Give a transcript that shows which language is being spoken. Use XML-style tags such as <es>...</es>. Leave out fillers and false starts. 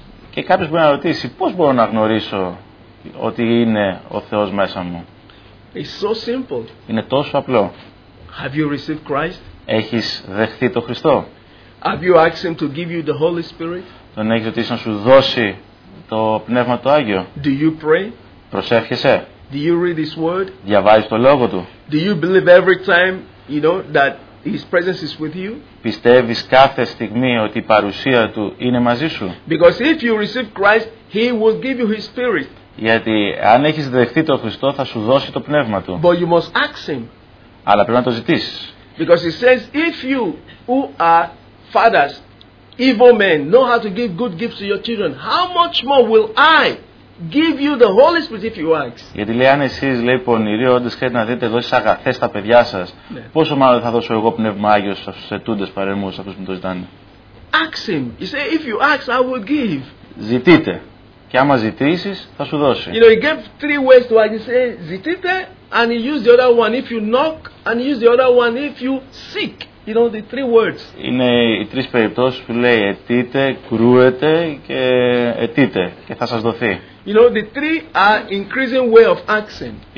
<el>Και κάποιος μπορεί να ρωτήσει, πώς μπορώ να γνωρίσω ότι είναι ο Θεός μέσα μου;</el> <en>It's so simple.</en> <el>Είναι τόσο απλό.</el> <en>Have you received Christ?</en> <el>Έχεις δεχθεί τον Χριστό;</el> <en>Have you asked him to give you the Holy Spirit?</en> <el>Τον έχεις ρωτήσει να σου δώσει το Πνεύμα το Άγιο;</el> <en>Do you pray?</en> <el>Προσεύχεσαι;</el> <en>Do you read his word?</en> <el>Διαβάζεις το λόγο του;</el> <en>Do you believe every time, you know, that His presence is with you.</en> <el>Πιστεύεις κάθε στιγμή ότι η παρουσία του είναι μαζί σου;</el> <en>Because if you receive Christ, He will give you His Spirit.</en> <el>Γιατί αν έχεις δεχτεί τον Χριστό, θα σου δώσει το Πνεύμα του.</el> <en>But you must ask Him.</en> <el>Αλλά πρέπει να το ζητήσεις.</el> <en>Because He says, if you who are fathers, evil men, know how to give good gifts to your children, how much more will I give you the Holy Spirit if you ask.</en> <el>Γιατί λέει, αν εσείς, λέει, πονηροί όντες, θέλετε να δείτε, δώσεις αγαθές στα παιδιά σας, ναι, πόσο μάλλον θα δώσω εγώ Πνεύμα Άγιο στους ετούντες παρεμούς, αυτούς που μου το ζητάνε.</el> <en>Ask him. He said, if you ask, I will give.</en> <el>Ζητείτε. Και άμα ζητήσεις, θα σου δώσει.</el> <en>You know, he gave three ways to ask. He said, ζητείτε, and he used the other one if you knock, and he used the other one if you seek. You know, the three words.</en> <el>Είναι οι τρεις περιπτώσεις που λέει, αιτείτε, κρούετε και αιτείτε και θα σας δοθεί.</el> <en>You know, the three are increasing way of asking.</en>